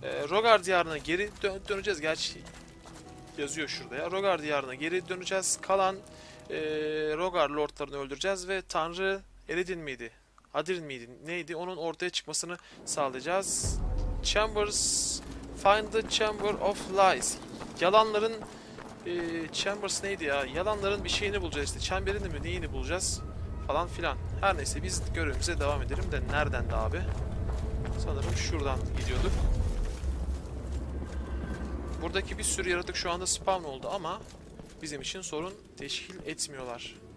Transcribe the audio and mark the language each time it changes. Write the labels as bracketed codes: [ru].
[tr] Rogar diyarına geri döneceğiz. Gerçi yazıyor şurada ya. Rogar diyarına geri döneceğiz. Kalan Rogar lordlarını öldüreceğiz ve Tanrı Eredin miydi? Hadirin miydi? Neydi? Onun ortaya çıkmasını sağlayacağız. [en] Chambers, find the chamber of lies. [tr] Yalanların chambers neydi ya? Yalanların bir şeyini bulacağız işte. Çemberini mi neyini bulacağız falan filan. Her neyse biz görevimize devam edelim de nereden de abi? Sanırım şuradan gidiyorduk. Buradaki bir sürü yaratık şu anda spawn oldu ama bizim için sorun teşkil etmiyorlar.